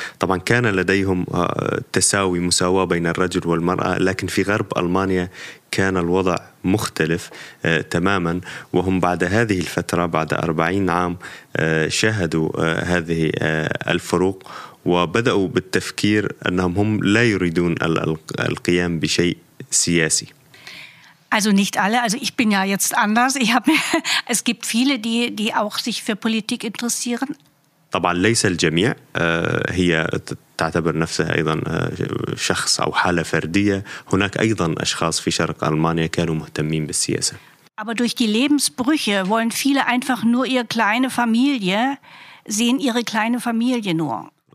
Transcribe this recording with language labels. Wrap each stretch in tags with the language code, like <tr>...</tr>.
<ar>طبعا كان لديهم تساوي مساواة بين الرجل والمرأة لكن في غرب ألمانيا كان الوضع مختلف تماما وهم بعد هذه الفترة بعد 40 عام شاهدوا هذه الفروق وبدأوا بالتفكير أنهم هم لا يريدون القيام بشيء سياسي.</ar> <de>Also nicht alle, also ich bin ja jetzt anders. Es gibt viele, die auch sich für Politik interessieren.</de> <ar>طبعا ليس الجميع هي تعتبر نفسها أيضا شخص أو حالة فردية. هناك أيضا أشخاص في شرق ألمانيا كانوا مهتمين بالسياسة.</ar> <de>Aber durch die Lebensbrüche wollen viele einfach nur ihre kleine Familie, sehen ihre kleine Familie nur.</de>